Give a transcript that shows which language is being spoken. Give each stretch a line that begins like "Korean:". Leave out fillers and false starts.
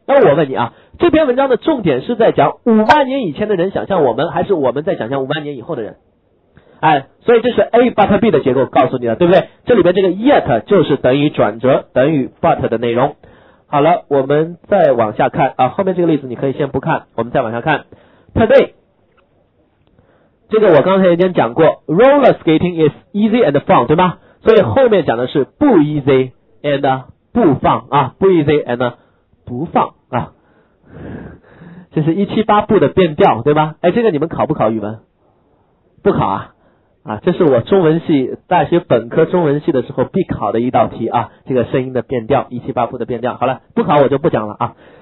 Chinese: 那我问你啊，这篇文章的重点是在讲5万年以前的人想象我们，还是我们在想象5万年以后的人？哎，所以这是
English: A but B
Chinese: 的结构告诉你的，对不对？这里边这个 yet 就是等于转折，等于 but 的内容。好了，我们再往下看啊，后面这个例子你可以先不看，我们再往下看。
English: today,
Chinese: 这个我刚才已经讲过，
English: roller skating is easy and fun,
Chinese: 对吗？所以后面讲的是不 easy and 不 fun, 啊，不 easy and 不 fun, 啊。这是178步的变调，对吗？哎，这个你们考不考语文？不考啊。啊，这是我中文系大学本科中文系的时候必考的一道题啊，这个声音的变调 ,178 步的变调。好了，不考我就不讲了啊。